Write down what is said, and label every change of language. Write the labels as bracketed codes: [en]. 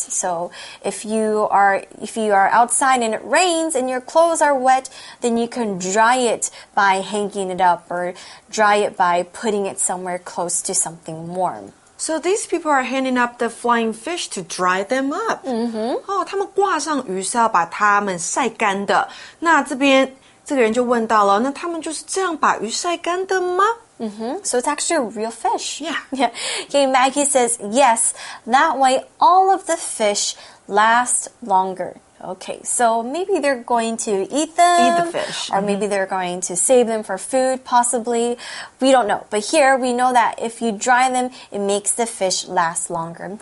[en] So if you are outside and it rains and your clothes are wet, then you can dry it by hanging it up or dry it by putting it somewhere close to something warm. So these people are handing up the flying fish to dry them up. [zh] 他们挂上鱼是要把它们晒干的。那这边这个人就问到了，那他们就是这样把鱼晒干的吗？ [en] So it's actually a real fish. Yeah. Okay, Maggie says, yes, that way all of the fish last longer. Okay, so maybe they're going to eat the fish. Or maybe they're going to save them for food, possibly. We don't know. But here we know that if you dry them, it makes the fish last longer.